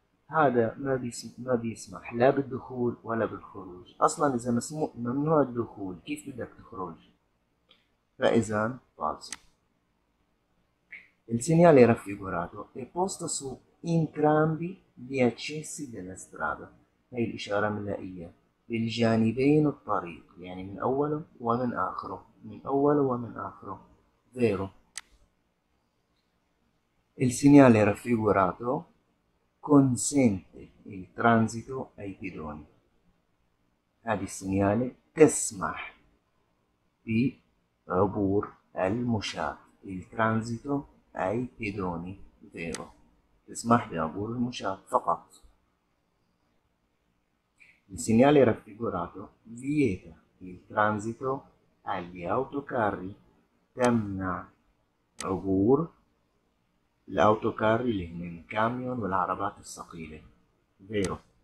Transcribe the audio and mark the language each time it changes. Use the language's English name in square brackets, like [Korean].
[Arabic] هذا ما بيسمح لا بالدخول ولا بالخروج. أصلا إذا مسموح ممنوع الدخول كيف بدك تخرج؟ فإذا فالصو. [Italian] Il segnale raffigurato è posto su entrambi gli accessi della strada. [Arabic] هاي الإشارة ملاقية بالجانبين الطريق، يعني من أوله ومن آخره، من أوله ومن آخره. [Italian] vero. Il segnale raffigurato consente il transito ai pedoni. [Arabic] Hadi segnale tesmah bi عبور المشاة، الترانزيتو أي بيدوني غيره، تسمح بعبور المشاة فقط. السينيال رافيغوراتو فييتا الترانزيتو أي أوتوكاري، تمنع عبور الأوتوكاري اللي هن الكاميون والعربات الثقيلة غيره.